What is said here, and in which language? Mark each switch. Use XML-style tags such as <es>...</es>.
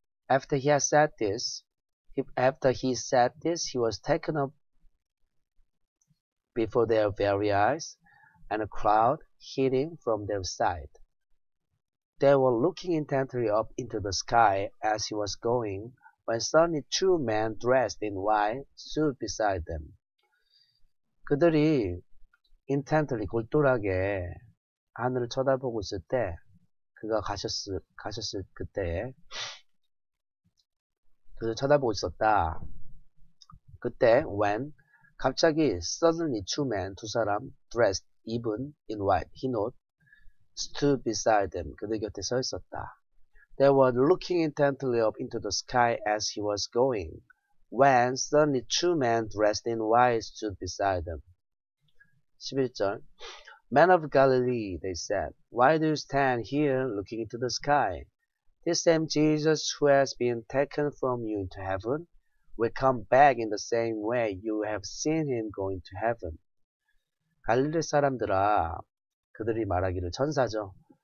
<en>After he had said this, he was taken up before their very eyes, and a cloud hid him from their sight. They were looking intently up into the sky as he was going. When suddenly two men dressed in white stood beside them.</en> <ko>그들이 intently, 골똘하게 하늘을 쳐다보고 있을 때, 그가 가셨을 그때에, 그들 쳐다보고 있었다. 그때, when, 갑자기 suddenly two men, 두 사람 dressed, 입은 in white, 흰옷, stood beside them, 그들 곁에 서 있었다.</ko> <en>They were looking intently up into the sky as he was going, when suddenly two men dressed in white stood beside them. 11절, Men of Galilee, they said, why do you stand here looking into the sky? This same Jesus who has been taken from you into heaven will come back in the same way you have seen him going to heaven.</en> <ko>갈릴리 사람들아, 그들이 말하기를 천사죠.</ko>